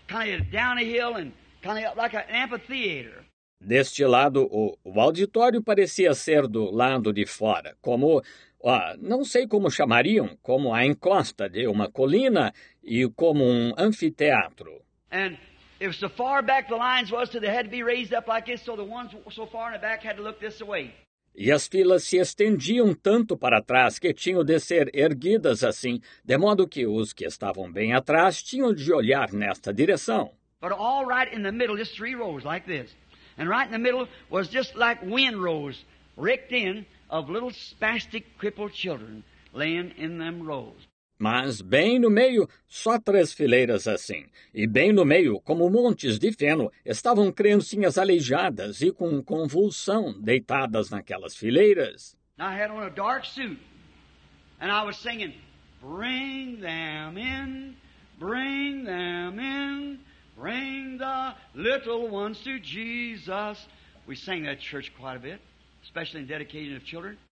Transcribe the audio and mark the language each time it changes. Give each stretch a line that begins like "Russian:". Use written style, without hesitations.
English: Kind of down a hill and kind of like an amphitheater.
Portuguese: Deste lado, o auditório parecia ser do lado de fora, como, não sei como chamariam, como a encosta de uma colina e como um anfiteatro.
English: And if so far back the lines was, so they had to be raised up like this, so the ones so far in the back had to look this way.
Portuguese: E as filas se estendiam tanto para trás que tinham de ser erguidas assim, de modo que os que estavam bem atrás tinham de olhar nesta direção.
English: But all right in the middle, just three rows like this. And right in the middle was just like wind rows, ricked in of little spastic crippled children laying in them rows.
Portuguese: Mas bem no meio, só três fileiras assim. E bem no meio, como montes de feno, estavam criancinhas aleijadas e com convulsão deitadas naquelas fileiras.
English: I had on a dark suit, and I was singing, bring them in, bring them in. Bring the little ones to Jesus. We sang that church quite a bit, especially in dedication of children.